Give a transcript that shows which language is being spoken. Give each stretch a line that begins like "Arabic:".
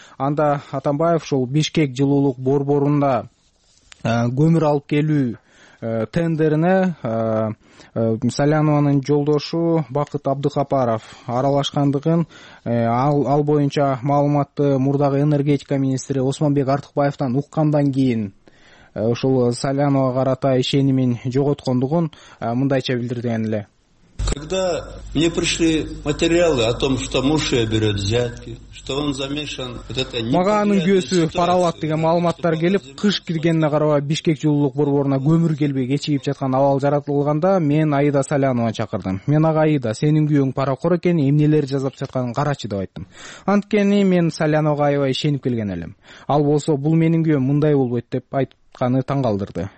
Kyrgyz: Анда Атамбаев ушул Бишкек жылуулук борборунда көмүр алып келүү тендерине Салянованын жолдошу Бакыт Абдыкапаров аралашкандыгын, ал боюнча маалыматты мурдагы энергетика министри Осмонбек Артыкбаевдан уккандан кийин ушул Салянова карата ишенимин жоготкондугун мындайча билдирген эле.
Russian: Когда мне пришли материалы о том, что муж её берёт взятки, что он замешан вот это не
Kyrgyz: мага анын күйөсү пара алат деген маалыматтар келип, кыш киргенине карабай Бишкек жылуулук борборуна көмүр келбей кечигип жаткан абал жаратылганда мен Аида Саляновага чакырдым. Мен ага Аида, сенин күйөөң паракор экен, эмнелер жасап жатканын карачы деп айттым. Анткени мен Саляновага аябай ишенип келген элем. Ал болсо бул менин күйөөм мындай болбойт деп айтып аны таң калдырды.